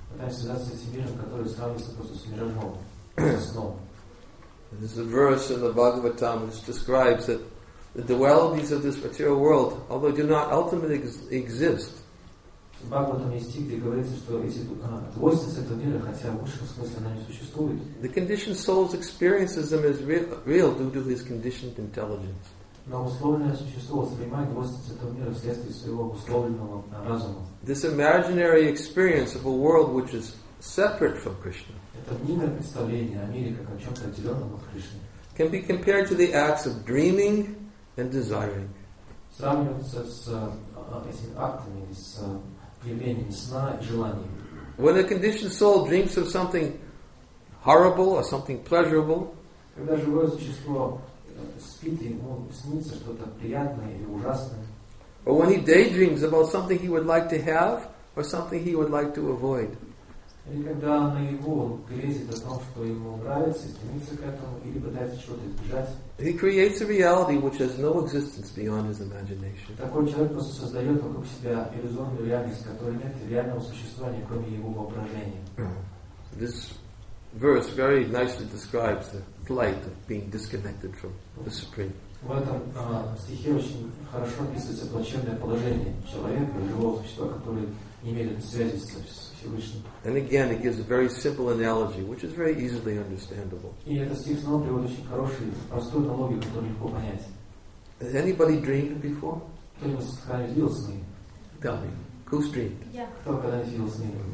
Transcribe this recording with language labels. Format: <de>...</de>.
<en>There's a verse in the Bhagavatam which describes that the dualities of this material world, although do not ultimately exist, the conditioned soul experiences them as real due to his conditioned intelligence.</en> <ru>Но условленное существо воспринимает двойственность этого мира вследствие своего условленного разума.</ru> <en>This imaginary experience of a world which is separate from Krishna.</en> <ru>Это мнимое представление о мире как о чем-то отделенном от Кришны.</ru> <en>Can be compared to the acts of dreaming and desiring.</en> <ru>Сравнивается с этими актами, с явлением сна и желанием.</ru> <en>When a conditioned soul dreams of something horrible or something pleasurable.</en> <ru>Когда живое существо спит, ему снится что-то приятное или ужасное.</ru> <en>Or when he daydreams about something he would like to have or something he would like to avoid.</en> <ru>Или когда наяву он грезит о том, что ему нравится, стремится к этому или пытается что-то избежать.</ru> <en>He creates a reality which has no existence beyond his imagination.</en> <ru>Такой человек просто создает вокруг себя иллюзорную реальность, которой нет реального существования, кроме его воображения.</ru> <en>This verse very nicely describes the plight of being disconnected from the Supreme.</en> <ru>В этом стихе очень хорошо описывается плачевное положение человека, живого существа, который не имеет связи с Всевышним.</ru> <en>And again, it gives a very simple analogy, which is very easily understandable.</en> <ru>И этот стих снова приводит очень хорошую, простую аналогию, которую легко понять.</ru> <en>Has anybody dreamed before?</en> <ru>Кто-нибудь когда-нибудь видел сны?</ru> <en>Tell me, who's dreamed? Yeah.</en> <ru>Кто когда-нибудь видел сны?</ru>